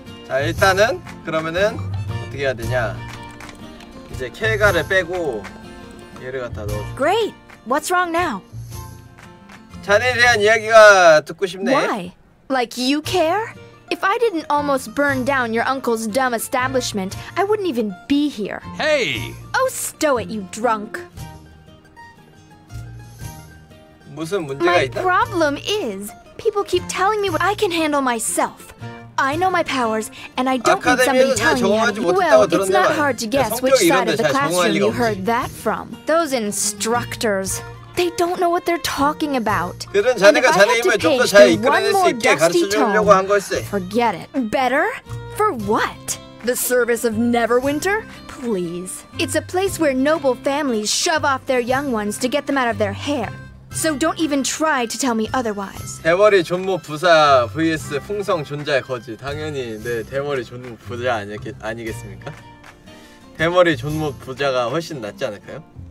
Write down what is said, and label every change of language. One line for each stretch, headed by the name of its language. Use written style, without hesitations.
Korean: Ah, 일단은 그러면은 어떻게 해야 되냐? 이제 케가를 빼고 얘를 갖다 넣어.
English: Great. What's wrong now?
Korean: 자네에 대한 이야기가 듣고 싶네.
English: Why? Like you care? If I didn't almost burn down your uncle's dumb establishment, I wouldn't even be here. Hey! Oh, stow it, you drunk.
Korean: 무슨 문제가
English: my
Korean: 있다?
English: My problem is, people keep telling me what I can handle myself. I know my powers, and I don't need somebody telling me. Well, it's not hard to guess which side of the classroom you heard that from. Those instructors. They don't know what they're talking about. And if I had to page through one more dusty tome, forget it. Better? For what? The service of Neverwinter? Please. It's a place where noble families shove off their young ones to get them out of their hair. So don't even try to tell me otherwise.
Korean: 대머리 존무 부사 vs 풍성 존자의 거지. 당연히 내 대머리 존무 부자 아니겠습니까? 대머리 존무 부자가 훨씬 낫지 않을까요?